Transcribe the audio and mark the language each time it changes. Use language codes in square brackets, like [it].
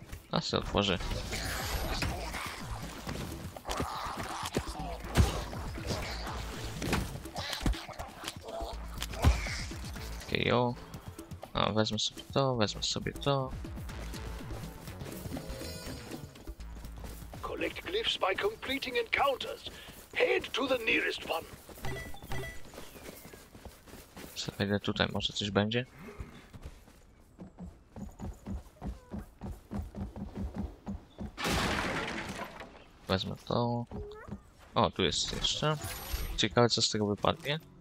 [pl] A se otworzy. Okej, okay, o. A, wezmę sobie to, wezmę sobie to. [en] Collect glyphs by completing encounters. Head to the nearest one. [pl] Wejdę tutaj, może coś będzie? Wezmę to. O, tu jest jeszcze. Ciekawe, co z tego wypadnie.